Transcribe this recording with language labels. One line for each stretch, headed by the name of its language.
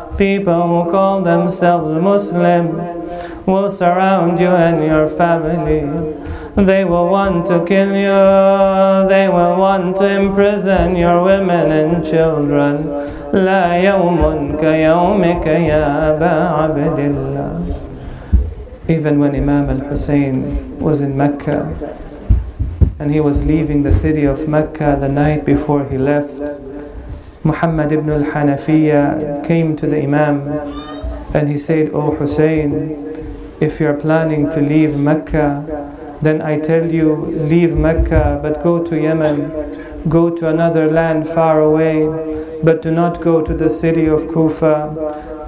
English: People who call themselves Muslim will surround you and your family. They will want to kill you. They will want to imprison your women and children.
Arabic: لا يوم كيومك يا أبا عبد الله.
English: Even when Imam al-Hussein was in Mecca and he was leaving the city of Mecca the night before he left, Muhammad ibn al-Hanafiya came to the Imam and he said, O Hussein, if you're planning to leave Mecca, then I tell you, leave Mecca, but go to Yemen, go to another land far away, but do not go to the city of Kufa.